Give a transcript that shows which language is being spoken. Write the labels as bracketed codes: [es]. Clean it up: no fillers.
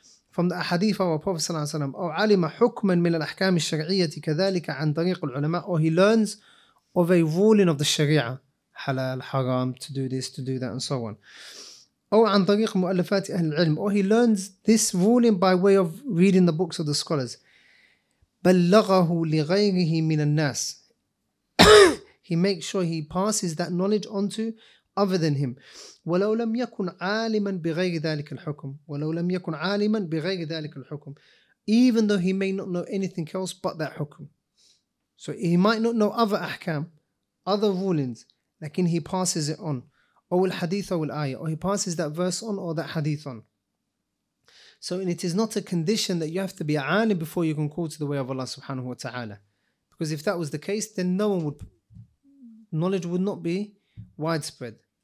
[en] from the hadith of our Prophet [ar] صلى الله عليه وسلم, أو علم حكما من الأحكام الشرعية كذلك عن طريق العلماء, [en] or he learns of a ruling of the Sharia, halal, haram, to do this, to do that, and so on. [ar] أو عن طريق مؤلفات أهل العلم, [en] or he learns this ruling by way of reading the books of the scholars. [ar] بلغه لغيره من الناس, [en] he makes sure he passes that knowledge onto other than him. [ar] وَلَوْ لَمْ يَكُنْ عَالِمًا بِغَيْرِ ذَلِكَ الْحُكُمُ, وَلَوْ لَمْ يَكُنْ عَالِمًا بِغَيْرِ ذَلِكَ الْحُكُمُ, [en] even though he may not know anything else but that hukum. So he might not know other ahkam, other rulings, [ar] لكن [en] he passes it on. [ar] أو الحديث أو الآية, [en] or he passes that verse on or that hadith on. So, and it is not a condition that you have to be a alim before you can call to the way of Allah subhanahu wa ta'ala. Because if that was the case, then no one would, knowledge would not be widespread.